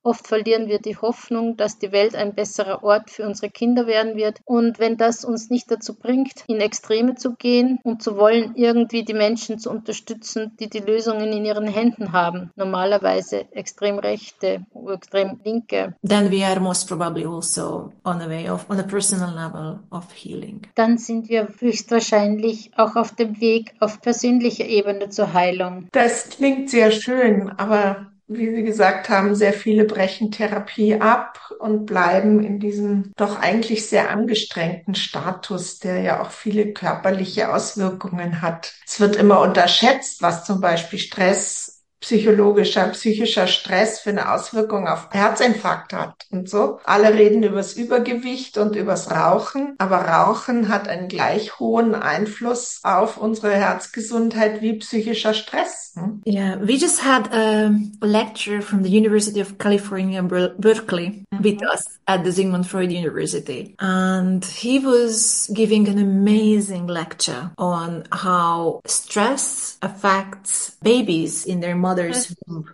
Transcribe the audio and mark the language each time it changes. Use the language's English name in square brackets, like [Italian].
[German] Oft verlieren wir die Hoffnung, dass die Welt ein besserer Ort für unsere Kinder werden wird. Und wenn das uns nicht dazu bringt, in Extreme zu gehen und zu wollen, irgendwie die Menschen zu unterstützen, die Lösungen in ihren Händen haben, normalerweise extrem Rechte, extrem Linke, [English] then we are most probably also on the way of, on a personal level, of healing. [German] Dann sind wir höchstwahrscheinlich auch auf dem Weg auf persönlicher Ebene zur Heilung. Das klingt sehr schön, aber wie Sie gesagt haben, sehr viele brechen Therapie ab und bleiben in diesem doch eigentlich sehr angestrengten Status, der ja auch viele körperliche Auswirkungen hat. Es wird immer unterschätzt, was zum Beispiel Stress, psychologischer, psychischer Stress für eine Auswirkung auf Herzinfarkt hat und so. Alle reden übers Übergewicht und übers Rauchen, aber Rauchen hat einen gleich hohen Einfluss auf unsere Herzgesundheit wie psychischer Stress. [English] Yeah, we just had a lecture from the University of California, Berkeley, with us at the Sigmund Freud University. And he was giving an amazing lecture on how stress affects babies in their mother's womb.